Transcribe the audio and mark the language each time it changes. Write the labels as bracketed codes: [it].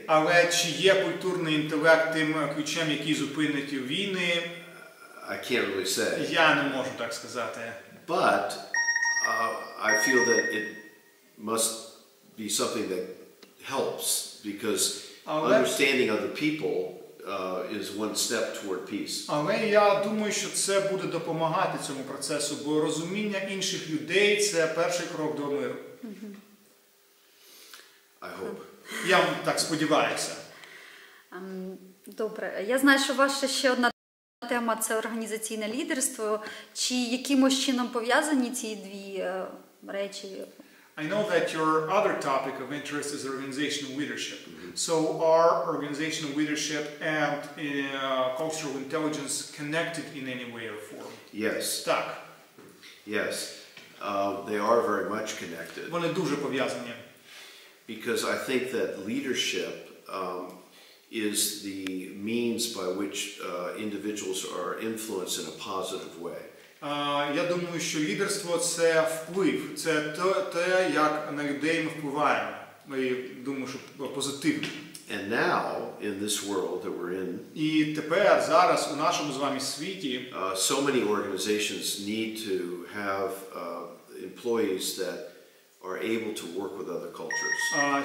[uk] Але чи є культурний інтелект тим ключем, який зупинить війни? [en] I can't really say. [uk] Я не можу так сказати. [en] But, I feel that it must be something that helps, because understanding other people is one step toward peace. [uk] Але я думаю, що це буде допомагати цьому процесу, бо розуміння інших людей – це перший крок до миру. [en] I hope. [uk] Я так сподіваюся. Добре. Я знаю, що ваша ще одна тема – це організаційне лідерство. Чи якимось чином пов'язані ці дві речі? [en] I know that your other topic of interest is organizational leadership. So are organizational leadership and cultural intelligence connected in any way or form? Yes. [uk] Так. [en] Yes. They are very much connected. [uk] Вони дуже пов'язані. [en] Because I think that leadership is the means by which individuals are influenced in a positive way. [uk] Я думаю, що лідерство – це вплив, це те, як на людей ми впливаємо. Я думаю, що позитивно. [en] And now, in this world that we're in, [uk] і тепер, зараз, у нашому з вами світі, [en] so many organizations need to have employees that are able to work with other cultures.